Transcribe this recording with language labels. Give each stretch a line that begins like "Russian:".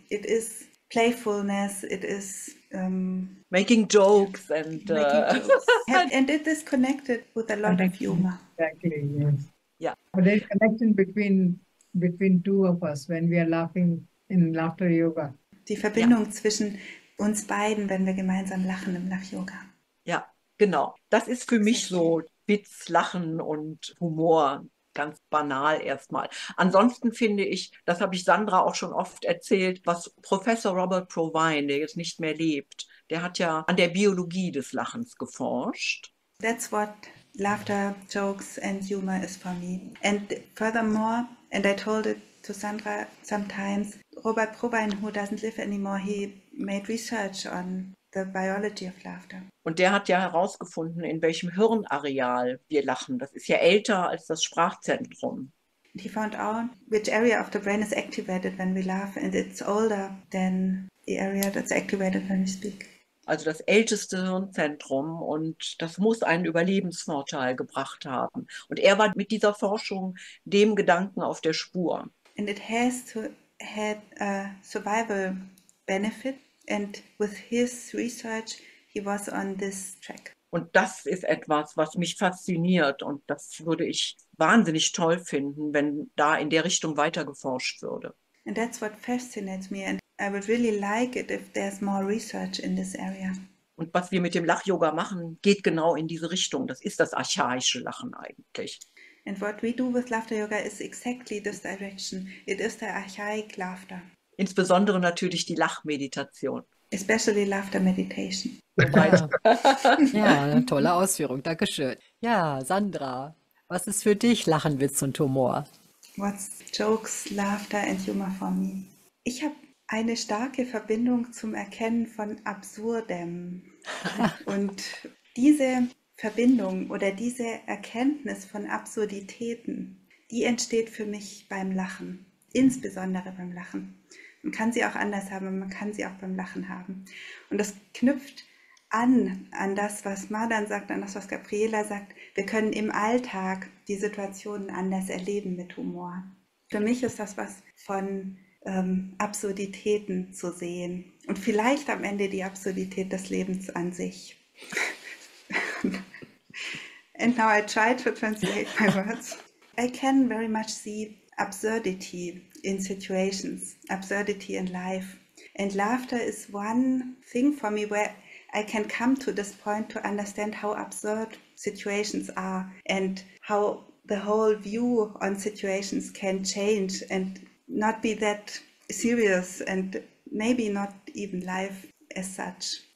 English: It is playfulness. It is making jokes and and it is connected with a lot of humor. Exactly, yes. Yeah. But there's a connection between two of us when we are laughing in laughter yoga.
German: Die Verbindung zwischen uns beiden, wenn wir gemeinsam lachen im Lach-Yoga. Ja, genau. Das ist für mich so Witz, Lachen und Humor. Ganz banal erstmal. Ansonsten finde ich, das habe ich Sandra auch schon oft erzählt, was Professor Robert Provine, der jetzt nicht mehr lebt, der hat ja an der Biologie des Lachens geforscht.
English: That's what Laughter, jokes, and humor is for me. And furthermore, and I told it to Sandra sometimes, Robert Probein, who doesn't live anymore, he made research on the biology of laughter.
German: Und der hat ja herausgefunden, in welchem Hirnareal wir lachen. Das ist ja älter als das Sprachzentrum.
English: And he found out which area of the brain is activated when we laugh, and it's older than the area that's activated when we speak.
German: Also das älteste Hirnzentrum, und das muss einen Überlebensvorteil gebracht haben. Und er war mit dieser Forschung dem Gedanken auf der Spur.
English: And it has to had a survival benefit, and with his research he was on this track.
German: Und das ist etwas, was mich fasziniert, und das würde ich wahnsinnig toll finden, wenn da in der Richtung weiter geforscht würde.
English: And that's what fascinates me, and I would really like it if there's more research in this area.
German: Und was wir mit dem Lach-Yoga machen, geht genau in diese Richtung. Das ist das archaische Lachen eigentlich.
English: And what we do with laughter yoga is exactly this direction. It is the archaic laughter.
German: Insbesondere natürlich die Lachmeditation.
English: Especially laughter meditation.
German: Ja, tolle Ausführung. Dankeschön. Ja, Sandra, was ist für dich Lachen, Witz und Humor?
English: What's jokes, laughter and humor for me?
German: Ich habe eine starke Verbindung zum Erkennen von Absurdem. Und diese Verbindung oder diese Erkenntnis von Absurditäten, die entsteht für mich beim Lachen, insbesondere beim Lachen. Man kann sie auch anders haben, aber man kann sie auch beim Lachen haben. Und das knüpft an das, was Madan sagt, an das, was Gabriela sagt. Wir können im Alltag die Situationen anders erleben mit Humor. Für mich ist das was von Absurditäten zu sehen und vielleicht am Ende die Absurdität des Lebens an sich.
English: And now I try to translate my words. I can very much see absurdity in situations, absurdity in life. And laughter is one thing for me where I can come to this point to understand how absurd situations are and how the whole view on situations can change and not be that serious and maybe not even life as such.